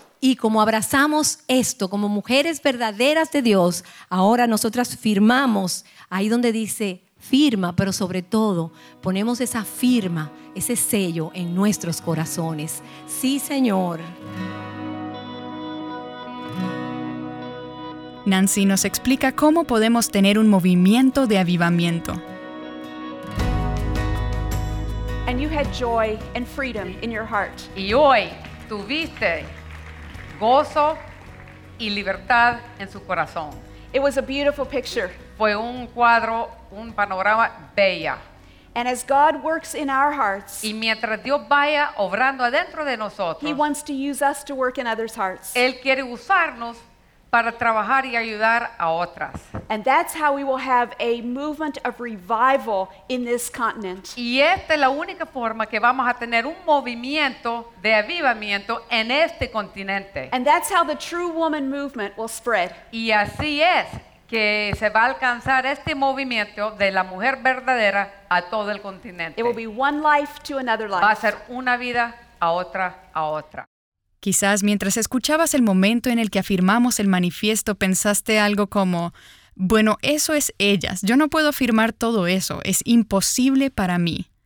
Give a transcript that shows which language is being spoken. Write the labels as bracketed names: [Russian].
[Spanish] Y como abrazamos esto como mujeres verdaderas de Dios, ahora nosotras firmamos ahí donde dice firma, pero sobre todo ponemos esa firma, ese sello en nuestros corazones. Sí, Señor. Nancy nos explica cómo podemos tener un movimiento de avivamiento. [English] And you had joy and freedom in your heart. [Spanish] Y hoy tuviste gozo y libertad en su corazón. [English] It was a beautiful picture. [Spanish] Fue un cuadro, un panorama bella. [English] And as God works in our hearts, [Spanish] y mientras Dios vaya obrando adentro de nosotros, [English] He wants to use us to work in others' hearts. [Spanish] Él quiere usarnos para trabajar y ayudar a otras. [English] And that's how we will have a movement of revival in this continent. [Spanish] Y esta es la única forma que vamos a tener un movimiento de avivamiento en este continente. [English] And that's how the true woman movement will spread. [Spanish] Y así es que se va a alcanzar este movimiento de la mujer verdadera a todo el continente. [English] It will be one life to another life. [Spanish] Va a ser una vida a otra. Quizás mientras escuchabas el momento en el que afirmamos el manifiesto, pensaste algo como, bueno, eso es ellas, yo no puedo afirmar todo eso, es imposible para mí.